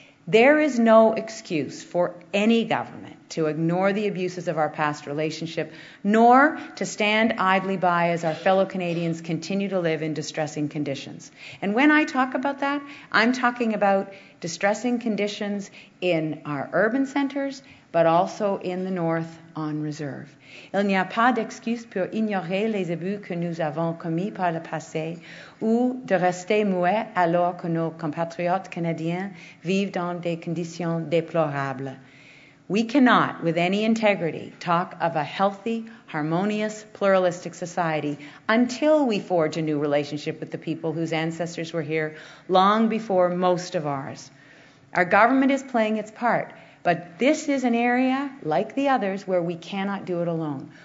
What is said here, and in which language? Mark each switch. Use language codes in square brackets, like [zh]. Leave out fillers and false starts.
[en] There is no excuse for any government to ignore the abuses of our past relationship, nor to stand idly by as our fellow Canadians continue to live in distressing conditions. And when I talk about that, I'm talking about distressing conditions in our urban centres, but also in the north on reserve. [fr] Il n'y a pas d'excuse pour ignorer les abus que nous avons commis par le passé ou de rester muet alors que nos compatriotes canadiens vivent dans des conditions déplorables. [en] We cannot, with any integrity, talk of a healthy, harmonious, pluralistic society until we forge a new relationship with the people whose ancestors were here long before most of ours. Our government is playing its part, but this is an area, like the others, where we cannot do it alone.